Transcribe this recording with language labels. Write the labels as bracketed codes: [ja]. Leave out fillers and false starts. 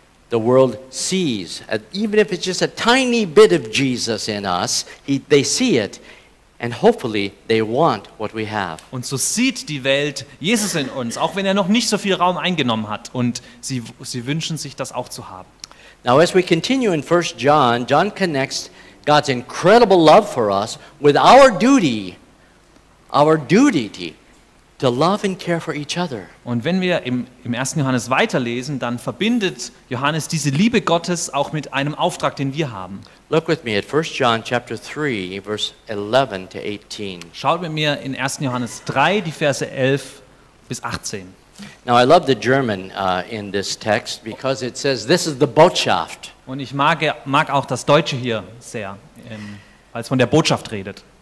[en] The world sees, even if it's just a tiny bit of Jesus in us, they see it. And hopefully they want what we have. [de] Und so sieht die Welt Jesus in uns, auch wenn er noch nicht so viel Raum eingenommen hat. Und sie wünschen sich das auch zu haben. [en] Now as we continue in 1 John, John connects God's incredible love for us with our duty to love and care for each other. [de] Und wenn wir im 1. Johannes weiterlesen, dann verbindet Johannes diese Liebe Gottes auch mit einem Auftrag, den wir haben. [en] Look with me at 1 John chapter 3, verse 11 to 18. [de] Schaut mit mir in 1. Johannes 3, die Verse 11 bis 18. [en] Now I love the German in this text because it says this is the Botschaft. [de] Und ich mag auch das Deutsche hier sehr, als von der Botschaft redet.